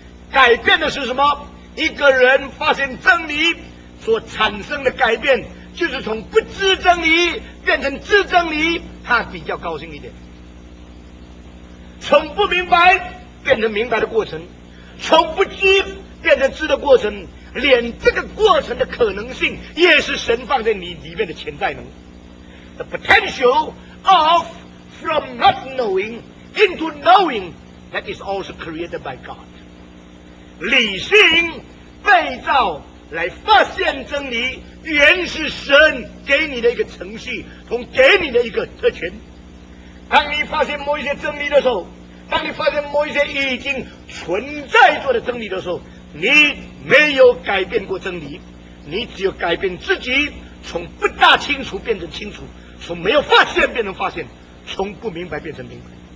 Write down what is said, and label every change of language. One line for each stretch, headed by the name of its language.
Chinese: 改变的是什么？一个人发现真理所产生的改变，就是从不知真理变成知真理，他比较高兴一点。从不明白变成明白的过程，从不知变成知的过程，连这个过程的可能性也是神放在你里面的潜在能。
English: The potential of from not knowing into knowing that is also created by God。
Chinese: 理性被造来发现真理，原是神给你的一个程序，同给你的一个特权。当你发现某一些真理的时候，当你发现某一些已经存在着的真理的时候，你没有改变过真理，你只有改变自己，从不大清楚变成清楚，从没有发现变成发现，从不明白变成明白。